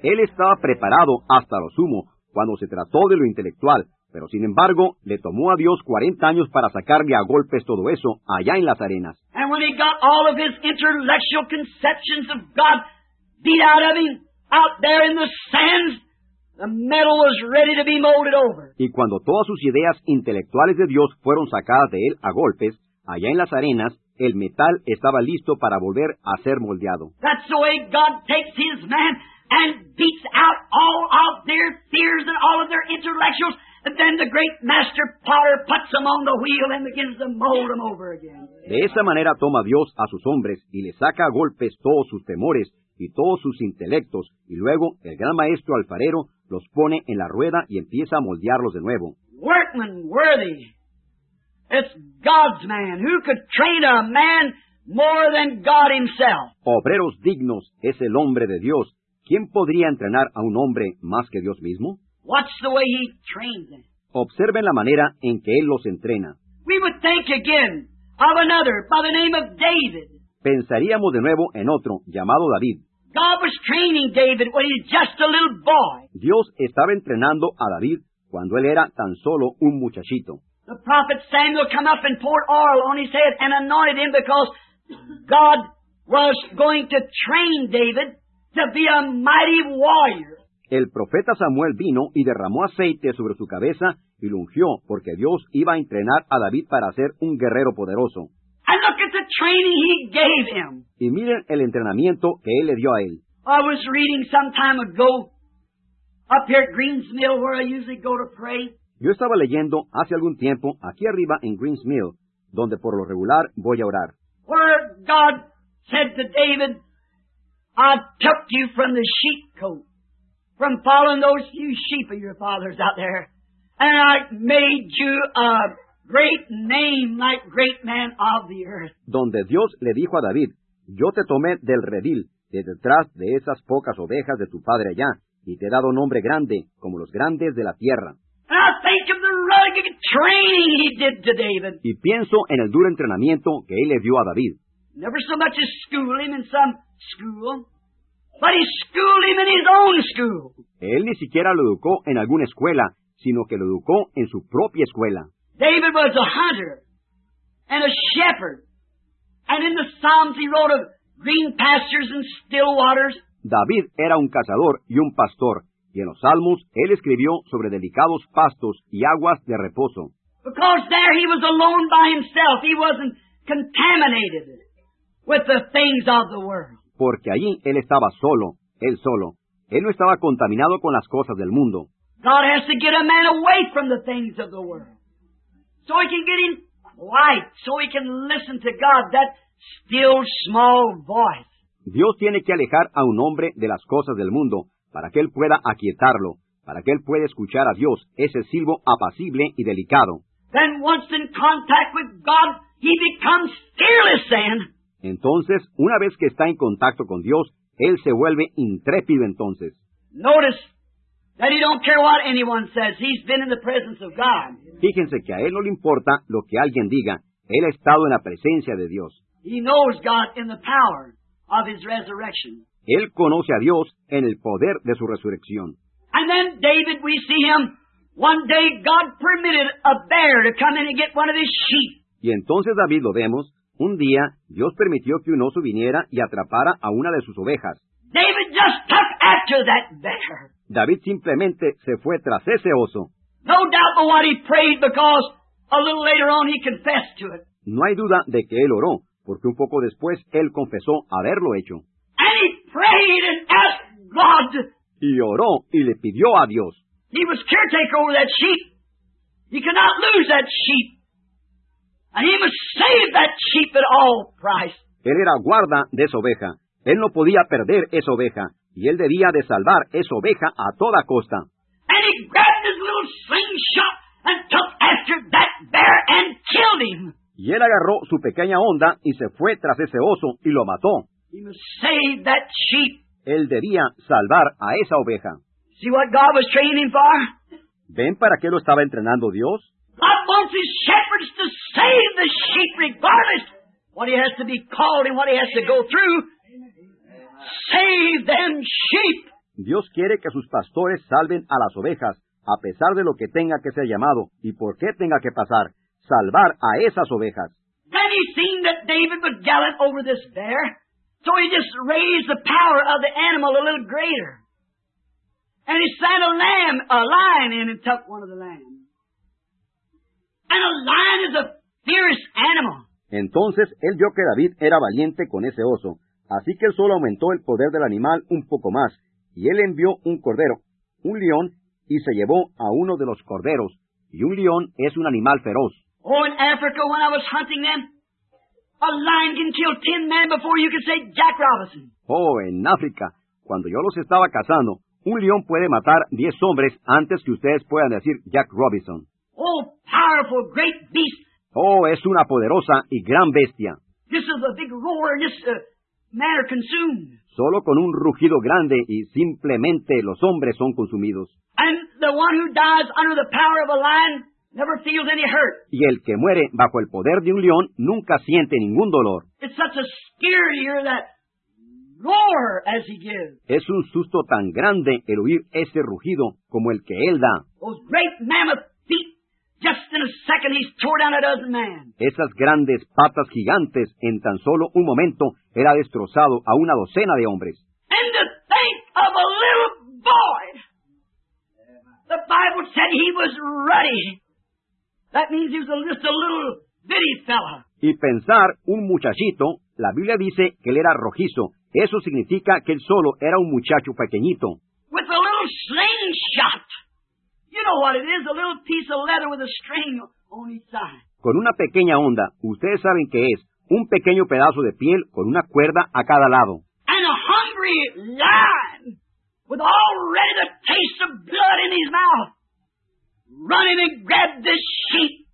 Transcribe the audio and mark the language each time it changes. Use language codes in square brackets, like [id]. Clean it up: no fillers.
[es] Él estaba preparado hasta lo sumo cuando se trató de lo intelectual, pero sin embargo, le tomó a Dios 40 años para sacarle a golpes todo eso allá en las arenas. [en] And when he got all of his intellectual conceptions of God beat out of him out there in the sands, the metal was ready to be molded over. [es] Y cuando todas sus ideas intelectuales de Dios fueron sacadas de él a golpes, allá en las arenas, el metal estaba listo para volver a ser moldeado. [en] That's the way God takes his man and beats out all of their fears and all of their intellectuals, and then the great master potter puts them on the wheel and begins to mold them over again. [es] De esa manera toma Dios a sus hombres y le saca a golpes todos sus temores y todos sus intelectos, y luego el gran maestro alfarero los pone en la rueda y empieza a moldearlos de nuevo. [en] Workman worthy. It's God's man. Who could train a man more than God himself? [es] Obreros dignos es el hombre de Dios. ¿Quién podría entrenar a un hombre más que Dios mismo? [en] Watch the way he trains them. [es] Observen la manera en que él los entrena. [en] We would think again of another by the name of David. [es] Pensaríamos de nuevo en otro llamado David. [en] God was training David when he was just a little boy. [es] Dios estaba entrenando a David cuando él era tan solo un muchachito. [en] The prophet Samuel came up and poured oil on his head and anointed him because God was going to train David to be a mighty warrior. [es] El profeta Samuel vino y derramó aceite sobre su cabeza y lo ungió porque Dios iba a entrenar a David para ser un guerrero poderoso. [en] And look at the training he gave him. [es] Y miren el entrenamiento que él le dio a él. [en] I was reading some time ago up here at Green's Mill where I usually go to pray. [es] Yo estaba leyendo hace algún tiempo aquí arriba en Green's Mill, donde por lo regular voy a orar. [en] Where God said to David, I took you from the sheep coat, from following those few sheep of your fathers out there, and I made you a great name, like great man of the earth. [es] Donde Dios le dijo a David, yo te tomé del redil, de detrás de esas pocas ovejas de tu padre allá, y te he dado nombre grande, como los grandes de la tierra. [en] And I think of the rugged training he did to David. [es] Y pienso en el duro entrenamiento que él le dio a David. [en] Never so much as school him in some school, but he schooled him in his own school. [es] Él ni siquiera lo educó en alguna escuela, sino que lo educó en su propia escuela. [en] David was a hunter and a shepherd. And in the Psalms he wrote of green pastures and still waters. [es] David era un cazador y un pastor. Y en los Salmos, él escribió sobre delicados pastos y aguas de reposo. [en] Because there he was alone by himself. He wasn't contaminated with the things of the world. [es] Porque allí él estaba solo, él solo. Él no estaba contaminado con las cosas del mundo. [en] God has to get a man away from the things of the world. So he can get him quiet, so he can listen to God, that still small voice. [es] Dios tiene que alejar a un hombre de las cosas del mundo, para que él pueda aquietarlo, para que él pueda escuchar a Dios, ese silbo apacible y delicado. [en] Then once in contact with God, he becomes fearless then. [es] Entonces, una vez que está en contacto con Dios, él se vuelve intrépido entonces. [en] Notice that he don't care what anyone says. He's been in the presence of God. [es] Fíjense que a él no le importa lo que alguien diga. Él ha estado en la presencia de Dios. [en] He knows God in the power of his resurrection. [es] Él conoce a Dios en el poder de su resurrección. [en] And then David, we see him, one day God permitted a bear to come in and get one of his sheep. [es] Y entonces David lo vemos, un día Dios permitió que un oso viniera y atrapara a una de sus ovejas. [en] David just took after that bear. [es] David simplemente se fue tras ese oso. [en] No doubt but what he prayed, because a little later on he confessed to it. [es] No hay duda de que él oró, porque un poco después él confesó haberlo hecho. [en] And he prayed and asked God. [es] Y oró y le pidió a Dios. [en] He was caretaker over that sheep. He cannot lose that sheep. And he must save that sheep at all price. [es] Él era guarda de esa oveja. Él no podía perder esa oveja. Y él debía de salvar esa oveja a toda costa. [en] And he grabbed his little slingshot and took after that bear and killed him. [es] Y él agarró su pequeña onda y se fue tras ese oso y lo mató. [en] He must save that sheep. [es] Él debía salvar a esa oveja. [en] See what God was training him for? [es] ¿Ven para qué lo estaba entrenando Dios? [en] God wants his shepherds to save the sheep regardless what he has to be called and what he has to go through. Save them sheep. [es] Dios quiere que sus pastores salven a las ovejas a pesar de lo que tenga que ser llamado y por qué tenga que pasar. Salvar a esas ovejas. [en] Then he seen that David was gallant over this bear, so he just raised the power of the animal a little greater. And he sent a lamb, a lion in and took one of the lambs. And a lion is a fierce animal. [es] Entonces, él vio que David era valiente con ese oso, así que él solo aumentó el poder del animal un poco más, y él envió un cordero, un león, y se llevó a uno de los corderos, y un león es un animal feroz. [en] Oh, in Africa, when I was hunting them, a lion can kill 10 men before you can say Jack Robinson. [es] Oh, en África, cuando yo los estaba cazando, un león puede matar 10 hombres antes que ustedes puedan decir Jack Robinson. [en] Oh, powerful, great beast. [es] Oh, es una poderosa y gran bestia. [en] This is a big roar and this matter consumed. [es] Solo con un rugido grande y simplemente los hombres son consumidos. [en] And the one who dies under the power of a lion never feels any hurt. [es] Y el que muere bajo el poder de un león nunca siente ningún dolor. [en] It's such a scary hear that roar as he gives. [es] Es un susto tan grande el oír ese rugido como el que él da. [en] Those great mammoth feet, just in a second he's tore down a dozen men. [es] Esas grandes patas gigantes, en tan solo un momento, él ha destrozado a una docena de hombres. [en] And to think of a little boy. The Bible said he was ruddy. That means he was just a little bitty fella. [es] Y pensar, un muchachito, la Biblia dice que él era rojizo. Eso significa que él solo era un muchacho pequeñito. [en] With a little slingshot. You know what it is, a little piece of leather with a string on each side. [es] Con una pequeña onda, ustedes saben qué es, un pequeño pedazo de piel con una cuerda a cada lado. [en] And a hungry lion, with already the taste of blood in his mouth. Running and grab this sheep.